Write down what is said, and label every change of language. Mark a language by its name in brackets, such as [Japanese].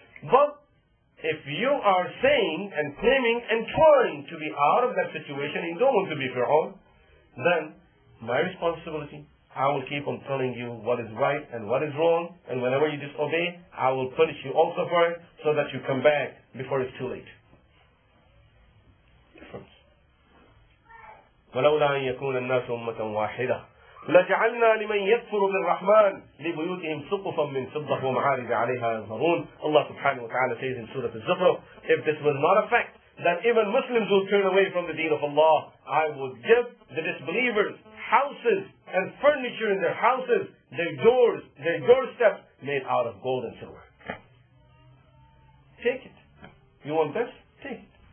[English] But if you are saying and claiming and trying to be out of that situation and don't want to be Fir'aun, then my responsibility, I will keep on telling you what is right and what is wrong, and whenever you disobey, I will punish you also for it so that you come back before it's too late. [Arabic] ولولا أن يكون الناس أمة واحدة لجعلنا لمن يكفر بالرحمن لبيوتهم سقفا من فضة ومعارج عليها يظهرون. [English] Allah subhanahu wa ta'ala says in Surah Al-Zukhruf, if this was not a fact that even Muslims would turn away from the deen of Allah, I would give the disbelievers houses and furniture in their houses, their doors, their doorsteps made out of gold and silver. Take it. You want this? Take it.